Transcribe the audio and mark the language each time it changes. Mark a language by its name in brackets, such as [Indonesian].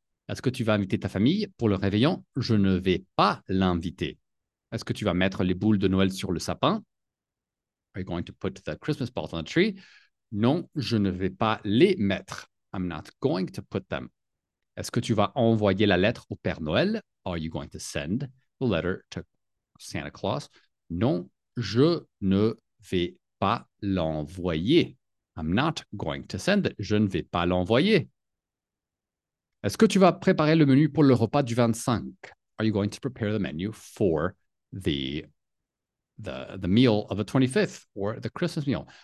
[French] Est-ce que tu vas inviter ta famille pour le réveillon? Je ne vais pas l'inviter. Est-ce que tu vas mettre les boules de Noël sur le sapin? [English] Are you going to put the Christmas balls on the tree? [French] Non, je ne vais pas les mettre. [English] I'm not going to put them. [French] Est-ce que tu vas envoyer la lettre au Père Noël? [English] Are you going to send the letter to Santa Claus? [French] Non, je ne vais pas l'envoyer. [English] I'm not going to send it. [French] Je ne vais pas l'envoyer. Est-ce que tu vas préparer le menu pour le repas du 25? [English] Are you going to prepare the menu for the meal of the 25th or the Christmas meal?